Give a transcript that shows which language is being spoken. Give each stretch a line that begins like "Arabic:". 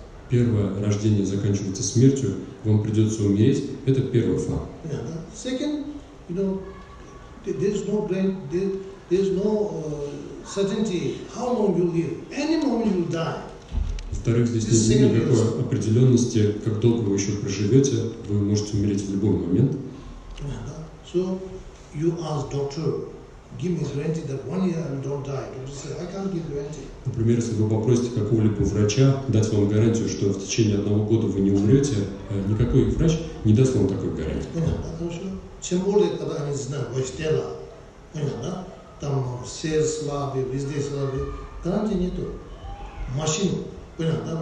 Russian: Первое рождение заканчивается смертью, вам придется умереть. Это первый факт.
English: Second, you know, there's no certainty how long you live. Any moment you die.
Russian: Во-вторых, здесь нет никакой определенности, как долго вы еще проживете, вы можете умереть в любой момент.
English: So you ask doctor, give me guarantee that 1 year I don't die. Doctor says, I can't give guarantee.
Russian: Например, если вы попросите какого-либо врача дать вам гарантию, что в течение 1 года вы не умрете, никакой врач не даст вам такой гарантии. Понятно, хорошо. Тем более, когда они знают ваше тело, понятно, там все слабые, везде слабые, гарантии нету. Машину. Понятно, да?